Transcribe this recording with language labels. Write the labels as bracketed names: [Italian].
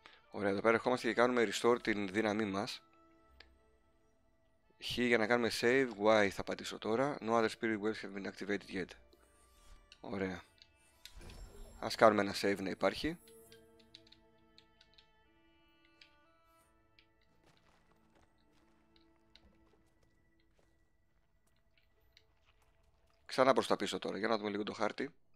[Greek] Ωραία, εδώ πέρα ερχόμαστε και κάνουμε restore την δύναμή μας. Χ για να κάνουμε save, Y θα πατήσω τώρα. [English] No other spirit webs have been activated yet. [Greek] Ωραία. Ας κάνουμε ένα save να υπάρχει. Ξανά προς τα πίσω τώρα, για να δούμε λίγο το χάρτη.